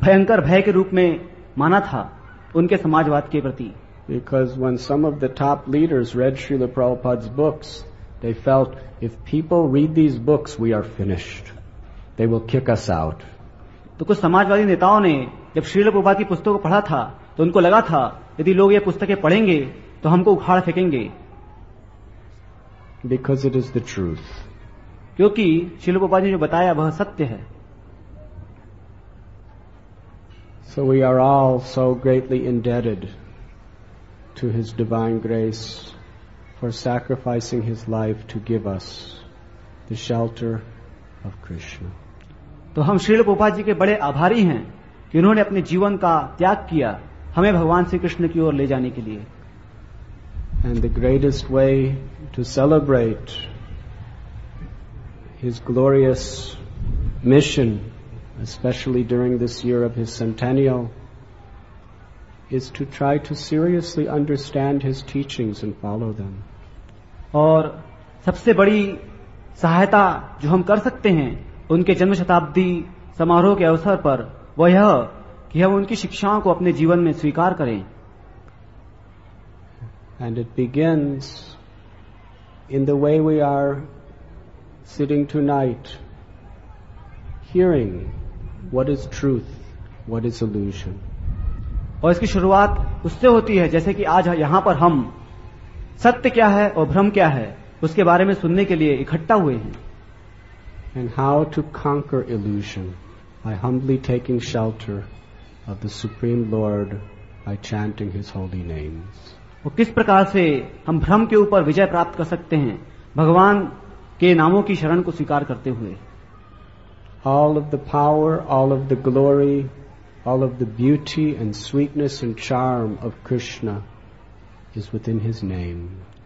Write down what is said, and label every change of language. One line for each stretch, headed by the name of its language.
Hindi: भयंकर भय के रूप में माना था उनके समाजवाद के प्रति.
English: Because when some of the top leaders read Srila Prabhupada's books, they felt, if people read these books, we are finished. They will kick us out.
Hindi: तो कुछ समाजवादी नेताओं ने जब श्रील प्रभुपाद की पुस्तकों को पढ़ा था तो उनको लगा था यदि लोग ये पुस्तकें पढ़ेंगे तो हमको उखाड़ फेंकेंगे.
English: Because it is the truth.
Hindi: क्योंकि श्रील प्रभुपाद ने जो बताया वह सत्य है.
English: So we are all so greatly indebted to His divine grace for sacrificing His life to give us the shelter of Krishna.
Hindi: तो हम श्रील प्रभुपाद जी के बड़े आभारी हैं कि उन्होंने अपने जीवन का त्याग किया हमें भगवान श्री कृष्ण की ओर ले जाने के लिए.
English: And the greatest way to celebrate His glorious mission, especially during this year of His centennial, is to try to seriously understand His teachings and follow them.
Hindi: और सबसे बड़ी सहायता जो हम कर सकते हैं उनके जन्म शताब्दी समारोह के अवसर पर वह यह कि हम उनकी शिक्षाओं को अपने जीवन में स्वीकार करें.
English: And it begins in the way we are sitting tonight, hearing what is truth, what is illusion.
Hindi: और इसकी शुरुआत उससे होती है जैसे कि आज यहां पर हम सत्य क्या है और भ्रम क्या है उसके बारे में सुनने के लिए इकट्ठा हुए हैं.
English: And how to conquer illusion by humbly taking shelter of the Supreme Lord by chanting His holy names.
Hindi: और किस प्रकार से हम भ्रम के ऊपर विजय प्राप्त कर सकते हैं भगवान के नामों की शरण को स्वीकार करते हुए.
English: All of the power, all of the glory, all of the beauty and sweetness and charm of Krishna is within His name.